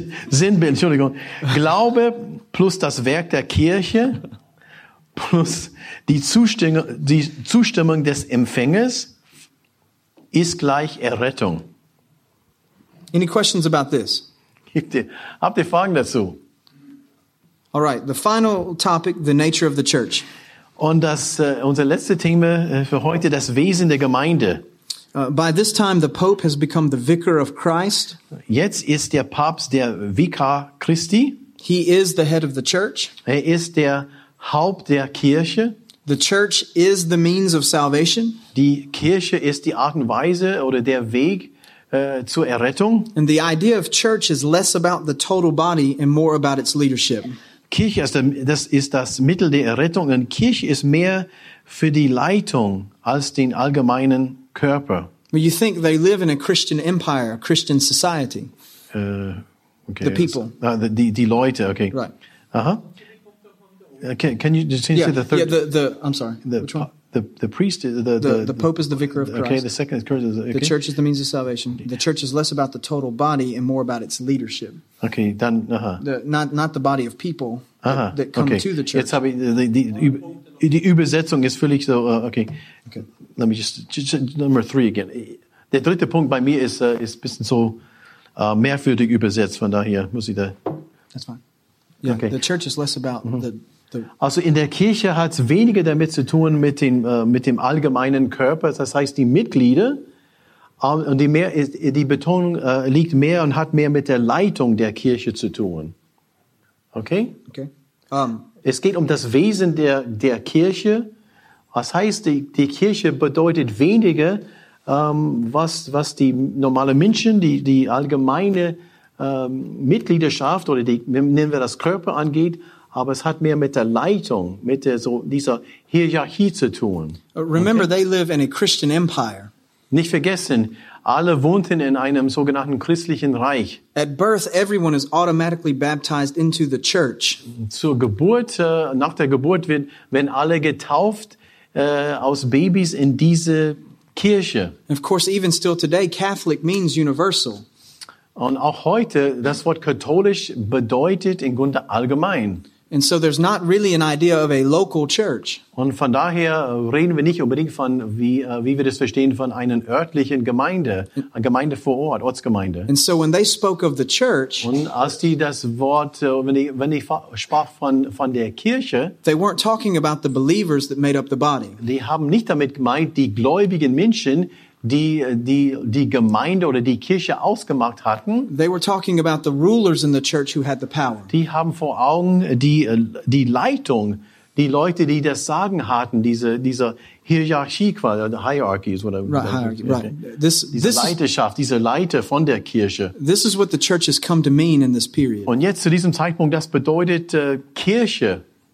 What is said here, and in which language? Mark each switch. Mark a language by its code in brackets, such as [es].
[de] Sinnbild, Entschuldigung. Glaube plus das Werk der Kirche plus die Zustimmung des Empfängers ist gleich Errettung. [en] Any questions about this? [de] Habt ihr Fragen dazu? [en] All right, the final topic, the nature of the church. [de] Und unser letztes Thema für heute, das Wesen der Gemeinde. [en] By this time, the Pope has become the vicar of Christ. [de] Jetzt ist der Papst der Vikar Christi. [en] He is the head of the church. [de] Er ist der Haupt der Kirche. [en] The church is the means of salvation. [de] Die Kirche ist die Art und Weise oder der Weg zur Errettung. [en] And the idea of church is less about the total body and more about its leadership. [de] Kirche ist das Mittel der Errettung. Und Kirche ist mehr für die Leitung als den allgemeinen Körper. [en] Well, you think they live in a Christian empire, a Christian society. Okay. The people. [de] Die Leute, okay. [en] Right. Uh-huh. Can you just change to the third? Yeah, I'm sorry. Which one? The priest, the Pope is the vicar of Christ. Okay, the second is okay. The church is the means of salvation. The church is less about the total body and more about its leadership. [de] Okay, dann, uh-huh. [en] Not the body of people that come to the church. [de] Jetzt habe ich, die Übersetzung ist völlig so, okay. Okay. [en] Let me just number three again. [de] Der dritte Punkt bei mir ist ein bisschen so mehrwürdig übersetzt, von daher muss ich da. [en] That's fine. Yeah, okay. The church is less about [de] Also in der Kirche hat es weniger damit zu tun mit dem allgemeinen Körper, das heißt die Mitglieder, und die Betonung liegt mehr mit der Leitung der Kirche zu tun. Okay? Okay. Es geht um das Wesen der Kirche. Was heißt, die Kirche bedeutet weniger, was die normale Menschen, die allgemeine Mitgliedschaft oder nennen wir das Körper angeht, aber es hat mehr mit der Leitung, mit dieser Hierarchie zu tun. [en] Remember, okay? They live in a Christian empire. [de] Nicht vergessen, alle wohnten in einem sogenannten christlichen Reich. [en] At birth, everyone is automatically baptized into the church. [de] Zur Geburt, nach der Geburt werden alle getauft aus Babys in diese Kirche. [en] And of course, even still today, Catholic means universal. [de] Und auch heute, das Wort katholisch bedeutet im Grunde allgemein. [en] And so there's not really an idea of a local church. [de] Und von daher reden wir nicht unbedingt von, wie wir das verstehen, von einer örtlichen Gemeinde, eine Gemeinde vor Ort, Ortsgemeinde. [en] And so when they spoke of the church, [de] und als die das Wort, wenn die sprach von der Kirche, [en] they weren't talking about the believers that made up the body. [de] Die haben nicht damit gemeint, die gläubigen Menschen, die Gemeinde oder die Kirche ausgemacht hatten. [en] They were talking about the rulers in the church who had the power. [de] Die haben vor Augen die Leitung, die Leute, die das Sagen hatten, diese Hierarchie quasi, [en] the hierarchies, whatever. Right, hierarchy, okay. Right. [de] Diese Leiter von der Kirche. [en] This is what the church has come to mean in this period. [de] Und jetzt zu diesem Zeitpunkt, das bedeutet Kirche.